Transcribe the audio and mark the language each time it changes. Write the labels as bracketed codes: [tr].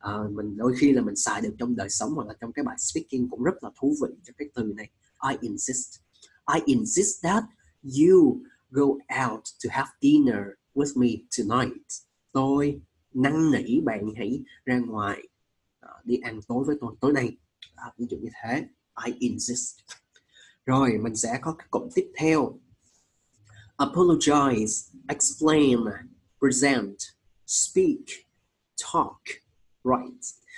[vi] Mình đôi khi là mình xài được trong đời sống hoặc là trong cái bài speaking cũng rất là thú vị cho cái từ này. [en] I insist that you go out to have dinner with me tonight. [vi] Tôi năn nỉ bạn hãy ra ngoài đi ăn tối với tôi tối nay. Ví dụ như thế. [en] I insist. [vi] Rồi mình sẽ có cái cụm tiếp theo. Apologize, explain, present, speak, talk, write.